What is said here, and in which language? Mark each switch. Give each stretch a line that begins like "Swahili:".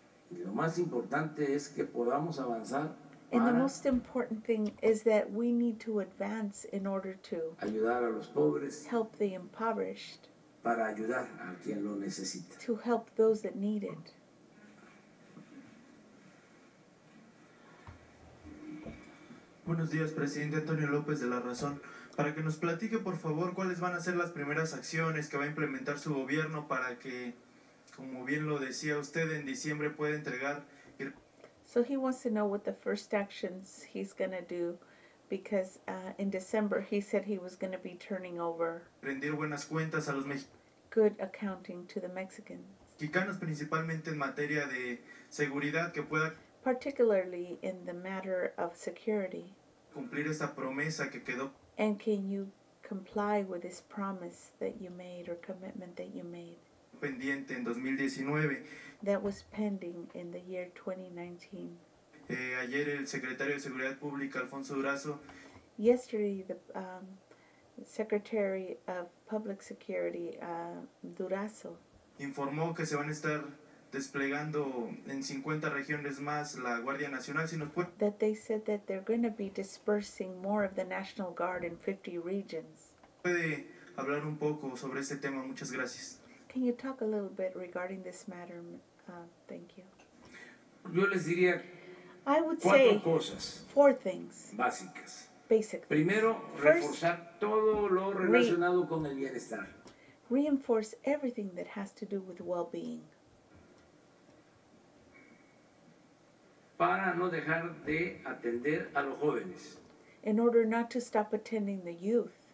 Spanish: Y lo más importante es que podamos avanzar.
English: And the most important thing is that we need to advance in order to
Spanish: ayudar a los pobres.
English: Help the impoverished.
Spanish: Para ayudar a quien lo necesita.
English: To help those that need it.
Spanish: Buenos días, presidente Antonio López de La Razón. Para que nos platique, por favor, cuáles van a ser las primeras acciones que va a implementar su gobierno para que, como bien lo decía usted, en diciembre pueda entregar.
English: So he wants to know what the first actions he's going to do because in December he said he was going to be turning over
Spanish: rendir buenas cuentas a los
English: good accounting to the Mexicans.
Spanish: Quicanos principalmente en materia de seguridad que pueda
English: particularly in the matter of security
Spanish: cumplir esa promesa que quedó.
English: And can you comply with this promise that you made or commitment that you made?
Spanish: Pendiente en 2019.
English: That was pending in the year 2019.
Spanish: Ayer el secretario de Seguridad Pública, Alfonso Durazo.
English: Yesterday, the Secretary of Public Security, Durazo.
Spanish: Informó que se van a estar desplegando en 50 regiones más la Guardia Nacional. Si nos puede.
English: That they said that they're going to be dispersing more of the National Guard in 50 regions.
Spanish: ¿Puede hablar un poco sobre este tema? Muchas gracias.
English: Can you talk a little bit regarding this matter? Thank you.
Spanish: Yo les diría
English: I would
Spanish: cuatro
English: say
Spanish: cosas
English: four things
Spanish: básicas.
English: Basically.
Spanish: Primero, reforzar
English: first,
Spanish: todo lo relacionado con el bienestar.
English: Reinforce everything that has to do with well-being.
Spanish: Para no dejar de atender a los jóvenes.
English: In order not to stop attending the youth.